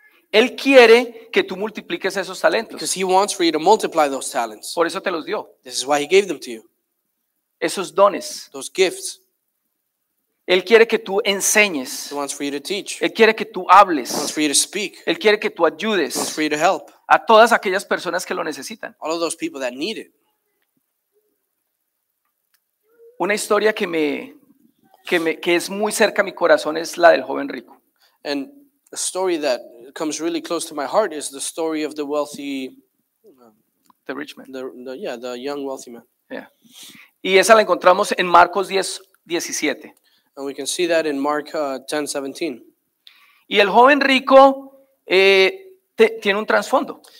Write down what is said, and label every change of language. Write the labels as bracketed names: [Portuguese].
[Spanish] Él quiere que tú multipliques esos talentos. [English] Because he wants for you to multiply those talents. [Spanish] Por eso te los dio. [English] This is why he gave them to you. [Spanish] Esos dones. [English] Those gifts. [Spanish] Él quiere que tú enseñes. [English] He wants for you to teach. [Spanish] Él quiere que tú hables. [English] He wants for you to speak. [Spanish] Él quiere que tú ayudes. [English] He wants for you to help. [Spanish] A todas aquellas personas que lo necesitan. [English] All of those people that need it. [Spanish] Una historia que es muy cerca a mi corazón es la del joven rico. [English] And a story that comes really close to my heart is the story of the wealthy, the rich man. The young wealthy man. [Spanish] Yeah. Y esa la encontramos en Marcos 10, 17. [English] And we can see that in Mark 10, 17. [Spanish] Y el joven rico tiene un trasfondo.